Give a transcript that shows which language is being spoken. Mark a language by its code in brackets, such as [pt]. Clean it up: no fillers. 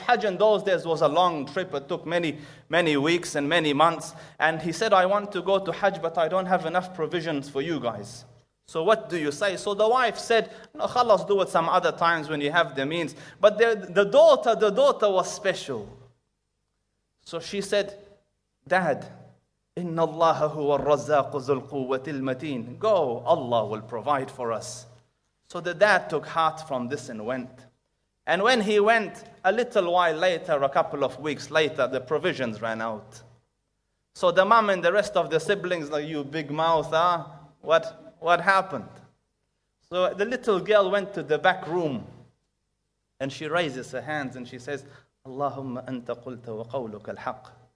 [en] Hajj in those days was a long trip. It took many, many weeks and many months. And he said, I want to go to Hajj, but I don't have enough provisions for you guys. So what do you say? So the wife said, no, khalas, do it some other times when you have the means. But the daughter was special. So she said, Dad, [ar] إِنَّ اللَّهَ هُوَ الرَّزَّاقُ ذُو الْقُوَّةِ الْمَتِينَ. [en] Go, Allah will provide for us. So the dad took heart from this and went. And when he went, a little while later, a couple of weeks later, the provisions ran out. So the mom and the rest of the siblings, like, you big mouth, huh? What happened? So the little girl went to the back room and she raises her hands and she says, [ar] Allahumma anta qulta wa qawluka al-haq.